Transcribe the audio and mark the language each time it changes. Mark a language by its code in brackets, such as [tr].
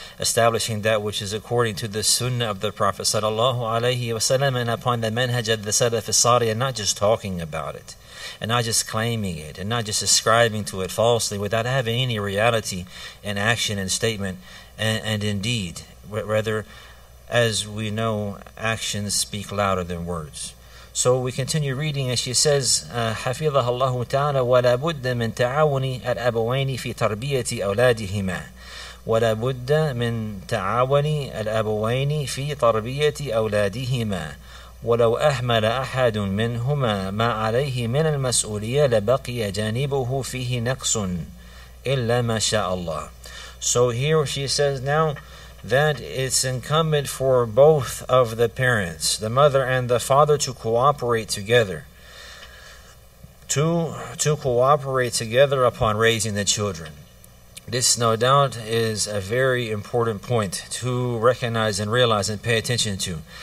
[en] Establishing that which is according to the sunnah of the Prophet sallallahu alayhi wa sallam, and upon the manhaj of the Salaf al-Sali, and not just talking about it. And not just claiming it. And not just ascribing to it falsely without having any reality in action and statement and indeed. Rather, as we know, actions speak louder than words. So we continue reading, as she says, [ar] حفظها الله تعالى ولا بد من تعاون الأبوين في تربية أولادهما ولا بد من تعاون الأبوين في تربية أولادهما ولو أهمل أحد منهما ما عليه من المسؤولية لبقي جانبه فيه نقص إلا ما شاء الله. [en] So here she says now that it's incumbent for both of the parents, the mother and the father, to cooperate together. To cooperate together upon raising the children. This, no doubt, is a very important point to recognize and realize and pay attention to.